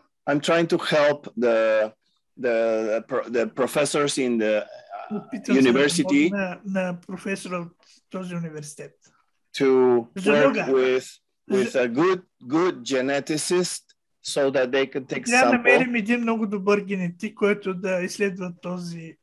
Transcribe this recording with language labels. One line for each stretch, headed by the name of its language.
English: I'm trying to help the professors in the university.
Bulgarian: На професор от този университет.
English: To work with a good geneticist so that they can take sample.
Bulgarian: Да намерим един много добър генетик, който да изследва този